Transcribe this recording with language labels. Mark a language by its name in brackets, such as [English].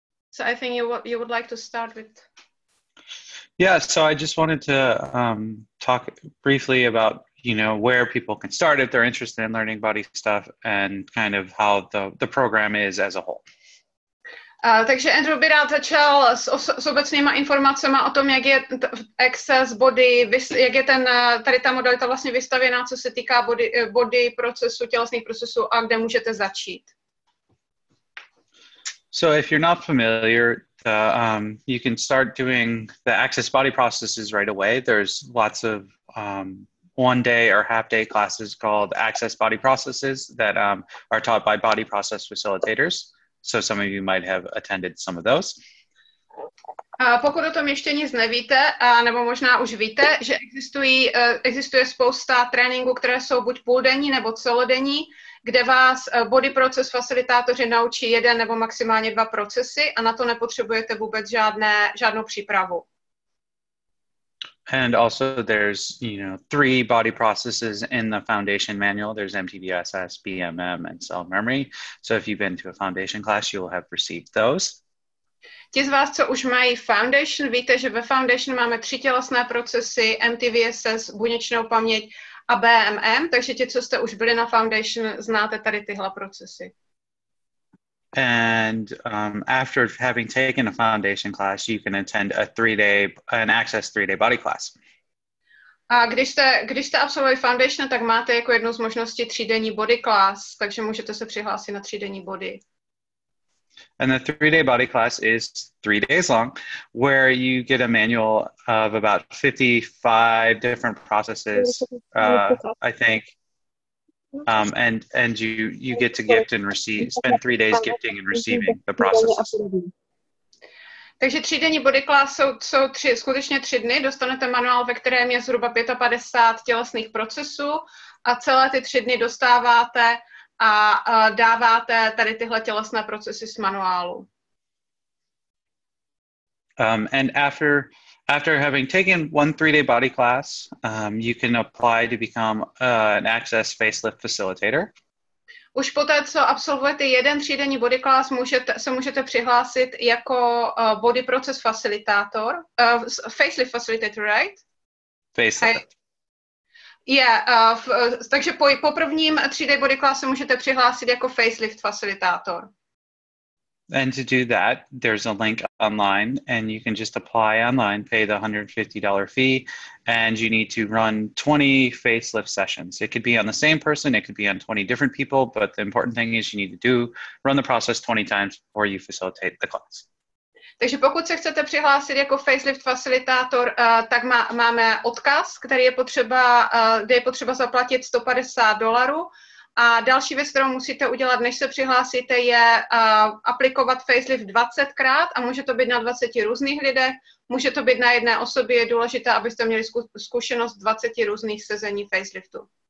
[English] So I think you would like to start with. Yeah, so I just wanted to talk briefly about, you know, where people can start if they're interested in learning body stuff and kind of how the program is as a whole. [Czech] Takže Andrew by rád začal s obecnýma informacemi o tom, jak je Access Body, jak je ten tady ta modalita vlastně vystavěná, co se týká body procesu, tělesných procesů a kde můžete začít. [English] So if you're not familiar, you can start doing the Access Body processes right away. There's lots of one-day or half-day classes called Access Body processes that are taught by body process facilitators. So some of you might have attended some of those. [Czech] Pokud o tom ještě nic nevíte, nebo možná už víte, že existuje spousta tréninků, které jsou buď půldenní nebo celodenní, kde vás body proces facilitátoři naučí jeden nebo maximálně dva procesy a na to nepotřebujete vůbec žádnou přípravu. [English] And also there's, you know, 3 body processes in the foundation manual. There's MTVSS, BMM and cell memory. So if you've been to a foundation class, you will have received those. [Czech] Ti z vás, co už mají foundation, víte, že ve foundation máme 3 tělesné procesy, MTVSS, buněčnou paměť a BMM, takže ti, co jste už byli na foundation, znáte tady tyhle procesy. [English] And after having taken a foundation class, you can attend a 3-day, an access 3-day body class. [Czech] A když jste absolvovali foundation, tak máte jako jednu z možností 3-denní body class, takže můžete se přihlásit na 3-denní body. [English] And the 3-day body class is 3 days long, where you get a manual of about 55 different processes, I think. And you get to gift and receive, spend 3 days gifting and receiving the processes. [Czech] Takže 3-denní body class jsou skutečně 3 dny. Dostanete manuál, ve kterém je zhruba 55 tělesných procesů a celé ty 3 dny dostáváte a dáváte tady tyhle tělesné procesy z manuálu. [English] And after having taken 1 3-day body class, you can apply to become an Access facelift facilitator. [Czech] Už poté, co absolvujete 1 3-denní body class, můžete přihlásit jako body proces facilitátor, [English] facelift facilitator, right? Facelift. [Czech] Takže po prvním 3-day body class se můžete přihlásit jako facelift facilitátor. [English] And to do that, there's a link online and you can just apply online, pay the $150 fee and you need to run 20 facelift sessions. It could be on the same person, it could be on 20 different people, but the important thing is you need to run the process 20 times before you facilitate the class. [Czech] Takže pokud se chcete přihlásit jako facelift facilitátor, tak máme odkaz, který je potřeba, kde je potřeba zaplatit $150. A další věc, kterou musíte udělat, než se přihlásíte, je aplikovat facelift 20krát a může to být na 20 různých lidech, může to být na jedné osobě, je důležité, abyste měli zkušenost 20 různých sezení faceliftu.